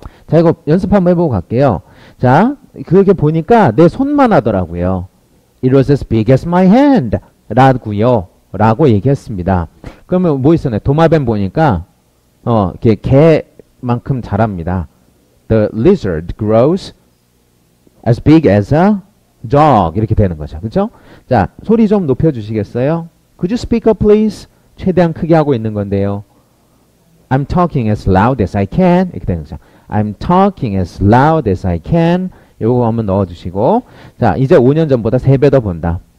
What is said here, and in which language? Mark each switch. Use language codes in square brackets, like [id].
[ko] 자, 이거 연습 한번 해보고 갈게요. 자, 그렇게 보니까 내 손만 하더라고요. [en] It was as big as my hand. [ko] 라고요. 라고 얘기했습니다. 그러면 뭐 있었나요? 도마뱀 보니까 이렇게 개만큼 자랍니다. [en] The lizard grows as big as a dog. [ko] 이렇게 되는 거죠. 그렇죠? 자, 소리 좀 높여주시겠어요? [en] Could you speak up, please? [ko] 최대한 크게 하고 있는 건데요. [en] I'm talking as loud as I can. [ko] 이렇게 되는 거죠. [en] I'm talking as loud as I can. [ko] 이거 한번 넣어주시고 자, 이제 5년 전보다 3배 더 본다.